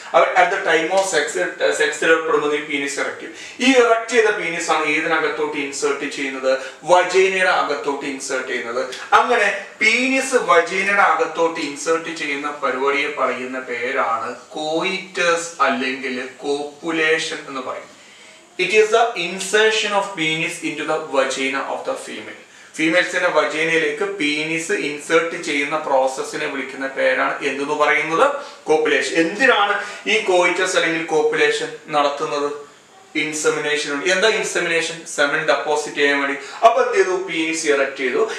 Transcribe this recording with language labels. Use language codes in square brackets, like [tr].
[ml] Our [en] at the time of sex [ml] സെക്സിൽ ഏർപ്പെടുമ്പോൾ ഈ penis erect ചെയ്യും. ഈ ഇറക്റ്റ് ചെയ്ത പീനിസ് ആണ് ഏതിനകത്തോട്ട് ഇൻസേർട്ട് ചെയ്യുന്നത്? വജൈനയുടെ അകത്തോട്ട് ഇൻസേർട്ട് ചെയ്യുന്നത്. അങ്ങനെ പീനിസ് വജൈനയുടെ അകത്തോട്ട് ഇൻസേർട്ട് ചെയ്യുന്ന പരിപാടിയെ പറയുന്ന പേരാണ് കോയിറ്റസ് അല്ലെങ്കിൽ കോപ്പുലേഷൻ എന്ന് പറയും. [en] It is the insertion of penis into the vagina of the female. [ml] ഫീമെയിൽസിന്റെ വജൈനയിലേക്ക് penis insert ചെയ്യുന്ന പ്രോസസ്സിനെ വിളിക്കുന്ന പേരാണ് എന്തെന്ന് പറയുന്നത്? കോപ്പുലേഷൻ. എന്തിനാണ് ഈ കോയിറ്റസ് അല്ലെങ്കിൽ കോപ്പുലേഷൻ നടത്തുന്നത്? ഇൻസെമിനേഷൻ. എന്താ ഇൻസെമിനേഷൻ? സെമൻ ഡെപ്പോസിറ്റ് ചെയ്യാൻ വേണ്ടി. അപ്പൊ എന്ത് ചെയ്തു? പീനിസ് ഇറക്റ്റ് ചെയ്തു.